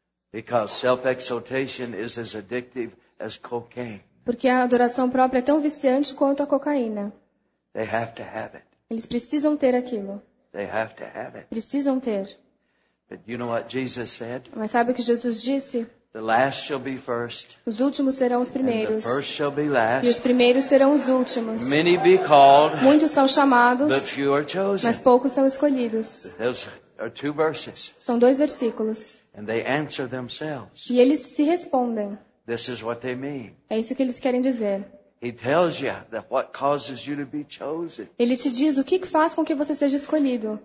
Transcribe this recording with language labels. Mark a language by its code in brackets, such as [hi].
[en] Because self-exaltation is as addictive as cocaine. [pt] Porque a adoração própria é tão viciante quanto a cocaína. [en] They have to have it. [pt] Eles precisam ter aquilo. [en] They have to have it. [pt] Precisam ter. [en] But you know what Jesus said? [pt] Mas sabe o que Jesus disse? [en] The last shall be first. [pt] Os últimos serão os primeiros. [en] And the first shall be last. [pt] E os primeiros serão os últimos. [en] Many be called. [pt] Muitos são chamados. [en] But few are chosen. [pt] Mas poucos são escolhidos. [en] Those are two verses. [pt] São dois versículos. [en] And they answer themselves. [pt] E eles se respondem. [en] This is what they mean. [pt] É isso que eles querem dizer. [en] He tells you that what causes you to be chosen. [pt] Ele te diz o que faz com que você seja escolhido.